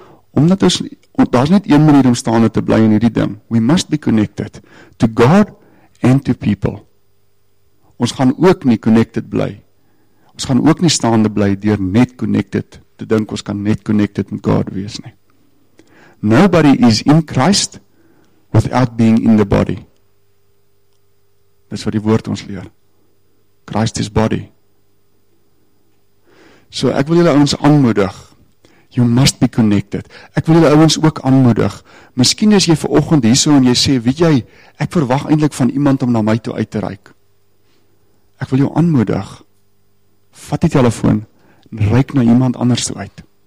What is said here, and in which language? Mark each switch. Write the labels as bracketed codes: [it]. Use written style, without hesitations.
[af] Omdat ons, daar is net een manier om staande te bly in hierdie ding. [en] We must be connected to God and to people. [af] Ons gaan ook nie connected bly. Ons gaan ook nie staande bly deur net connected te dink ons kan net connected met God wees nie. [en] Nobody is in Christ without being in the body. [af] Dis wat die woord ons leer. [en] Christ is body. [af] So ek wil julle ouens aanmoedig. [en] You must be connected. [af] Ek wil julle ouens ook aanmoedig. Miskien is jy vanoggend hierso en jy sê, weet jy, ek verwag eintlik van iemand om na my toe uit te reik. Ek wil jou aanmoedig. Vat die telefoon en reik na iemand anders toe uit.